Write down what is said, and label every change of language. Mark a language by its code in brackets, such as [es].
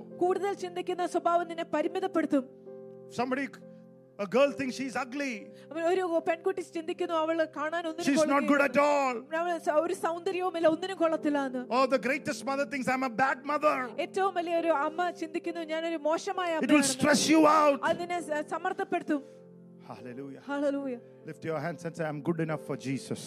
[ml] കൂടുതൽ ചിന്തിക്കുന്ന സ്വഭാവം നിന്നെ പരിമിതപ്പെടുത്തും. [en] Somebody, a girl thinks she is ugly. [ml] ഒരു പെൺകുട്ടി ചിന്തിക്കുന്നു അവൾ കാണാൻ ഒന്നും കൊള്ളില്ല. [en] She is not good at all. [ml] അവൾ ഒരു സൗന്ദര്യവുമില്ല ഒന്നിനും കൊള്ളത്തില്ല എന്ന്. [en] Oh, the greatest mother thinks I am a bad mother. [ml] ഏറ്റവും വലിയ ഒരു അമ്മ ചിന്തിക്കുന്നു ഞാൻ ഒരു മോശമായ അമ്മയാണ്. [en] It will stress you out. [ml] അതിനെ സമ്മർദ്ദപ്പെടുത്തും. [en] Hallelujah. Hallelujah. Lift your hands and say, I'm good enough for Jesus.